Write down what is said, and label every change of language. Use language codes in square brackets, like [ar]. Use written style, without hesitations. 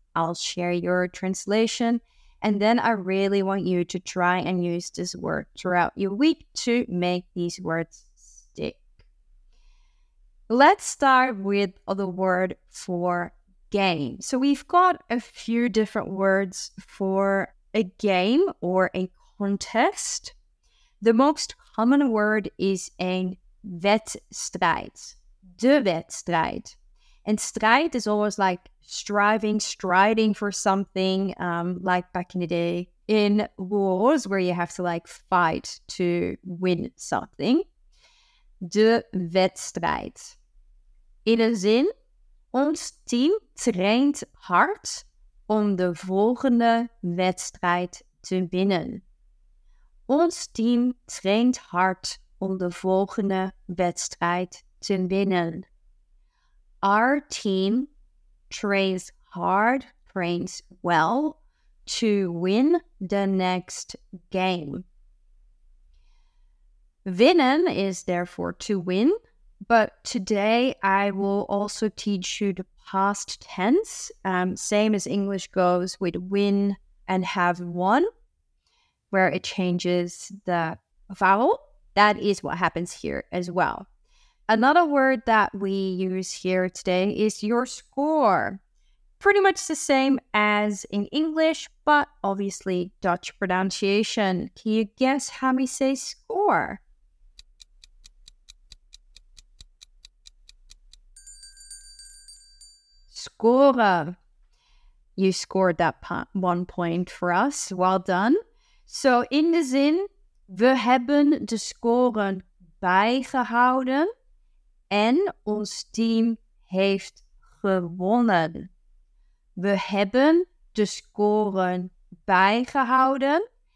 [en] I'll share your translation, and then I really want you to try and use this word throughout your week to make these words stick. Let's start with the word for game. So we've got a few different words for a game or a contest. The most common word is a wedstrijd, [nl] de wedstrijd. [en] And strijd is always like striving, striding for something, like back in the day in wars where you have to like fight to win something. [nl] De wedstrijd. In een zin, ons team traint hard om de volgende wedstrijd te winnen. Ons team traint hard om de volgende wedstrijd te winnen. [en] Our team trains hard, trains well to win the next game. Winnen is therefore to win, but today I will also teach you the past tense, same as English goes with win and have won, where it changes the vowel. That is what happens here as well. Another word that we use here today is your score. Pretty much the same as in English, but obviously Dutch pronunciation. Can you guess how we say score? Score. You scored that 1 point for us. Well done. [nl] So in de zin, we hebben de scoren bijgehouden. En ons team heeft gewonnen. We hebben de scoren bijgehouden.